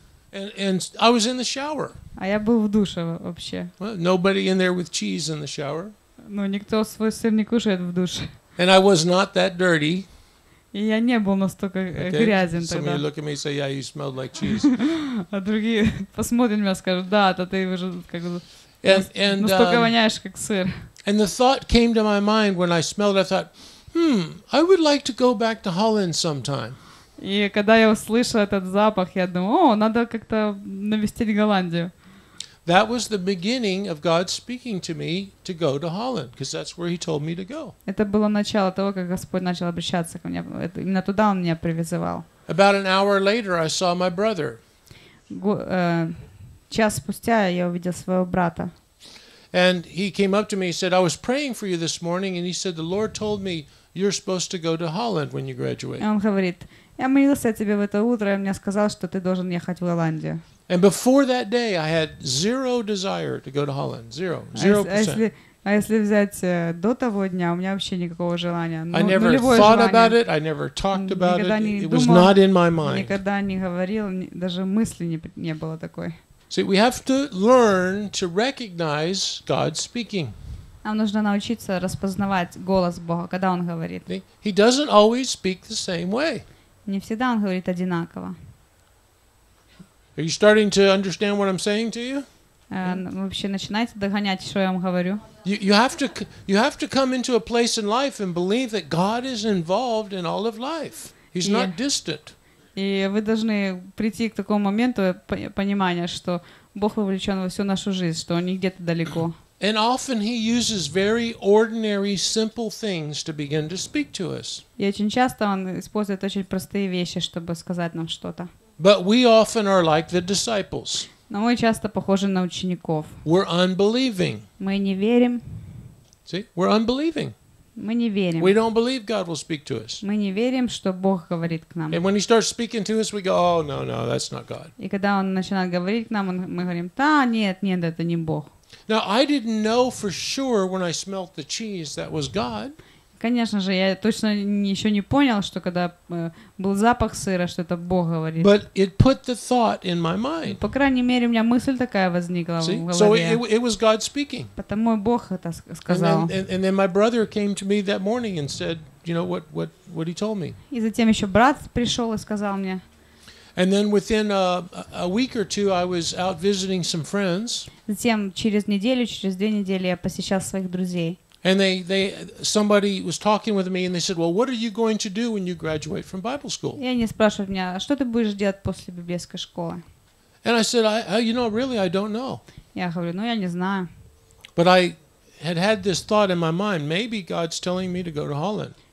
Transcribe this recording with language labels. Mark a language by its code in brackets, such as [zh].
[en] And I was in the shower. [ru] А я был в душе вообще. [en] Well, nobody in there with cheese in the shower. [ru] Ну, никто свой сыр не кушает в душе. [en] And I was not that dirty. [ru] И я не был настолько грязен тогда. [en] Some of you look at me and say, "Yeah, you smelled like cheese." [ru] А другие посмотрят на меня и скажут: "Да, это ты уже как бы настолько воняешь как сыр." [en] And the thought came to my mind when I smelled it. I thought, I would like to go back to Holland sometime. [ru] И когда я услышал этот запах, я думаю: о, надо как-то навестить Голландию. [en] That was the beginning of God speaking to me to go to Holland, because that's where He told me to go. [ru] Это было начало того, как Господь начал обращаться ко мне. Именно туда Он меня призывал. [en] About an hour later, I saw my brother. [ru] Час спустя я увидел своего брата. [en] And he came up to me and said, "I was praying for you this morning, and He said the Lord told me you're supposed to go to Holland when you graduate." [ru] Он говорит: я молился о тебе в это утро, и мне сказал, что ты должен ехать в Голландию. [en] And before that day, I had zero desire to go to Holland. Zero. 0%. [ru] А если взять до того дня, у меня вообще никакого желания. [en] I never thought about it. I never talked about it. It was not in my mind. [ru] Никогда не говорил, даже мысли не было такой. [en] See, we have to learn to recognize God speaking. [ru] Нам нужно научиться распознавать голос Бога, когда Он говорит. [en] He doesn't always speak the same way. [ru] Не всегда он говорит одинаково. [en] Are you starting to understand what I'm saying to you? [ru] Вообще начинаете догонять, что я вам говорю? [en] You have to come into a place in life and believe that God is involved in all of life. He's not distant. [ru] И вы должны прийти к такому моменту понимания, что Бог вовлечен во всю нашу жизнь, что Он не где-то далеко. [en] And often He uses very ordinary, simple things to begin to speak to us. [ru] И очень часто Он использует очень простые вещи, чтобы сказать нам что-то. [en] But we often are like the disciples. [ru] Но мы часто похожи на учеников. [en] We're unbelieving. [ru] Мы не верим. [en] See, we're unbelieving. [ru] Мы не верим. [en] We don't believe God will speak to us. [ru] Мы не верим, что Бог говорит к нам. [en] And when He starts speaking to us, we go, "Oh no, no, that's not God." [ru] И когда Он начинает говорить к нам, мы говорим: "Да, нет, нет, это не Бог." [en] Now I didn't know for sure when I smelt the cheese that was God. [ru] Конечно же, я точно еще не понял, что когда был запах сыра, что это Бог говорит. [en] But it put the thought in my mind. [ru] По крайней мере, у меня мысль такая возникла в голове. [en] So it was God speaking. [ru] Потому что Бог это сказал. [en] And then my brother came to me that morning and said, you know what he told me. [ru] И затем еще брат пришел и сказал мне. [en] And then within a week or two, I was out visiting some friends. [ru] Затем через неделю, через две недели я посещал своих друзей. [en] And they somebody was talking with me and they said, "Well, what are you going to do when you graduate from Bible school?" [ru] И они спрашивают меня, а что ты будешь делать после библейской школы? [en] And I said, I don't know. [ru] Я говорю, ну я не знаю. [en] But I had this thought in my mind, maybe God's telling me to go to Holland.